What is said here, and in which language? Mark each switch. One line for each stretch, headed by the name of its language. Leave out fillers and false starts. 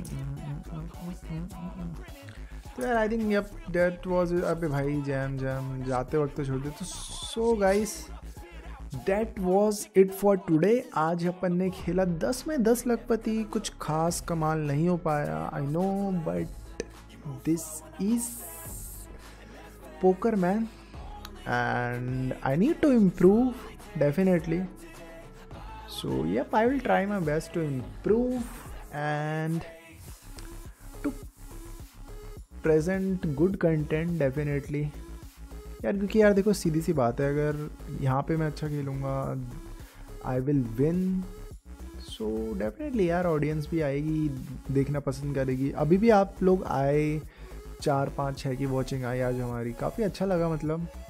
Hindi: तो यार
English: I think yup that was,
Hindi: अबे भाई जैम जैम जाते वक्त तो छोड़ दे।
English: तो so guys That was it for today.
Hindi: आज अपन ने खेला 10 में 10 लखपति, कुछ खास कमाल नहीं हो पाया
English: I know, but this is poker man and I need to improve definitely. So yep, I will try my best to improve and to present good content definitely.
Hindi: यार क्योंकि यार देखो सीधी सी बात है, अगर यहाँ पे मैं अच्छा खेलूँगा
English: I will win, so definitely
Hindi: यार ऑडियंस भी आएगी, देखना पसंद करेगी। अभी भी आप लोग आए, 4-5-6 की वॉचिंग आई आज हमारी, काफ़ी अच्छा लगा मतलब।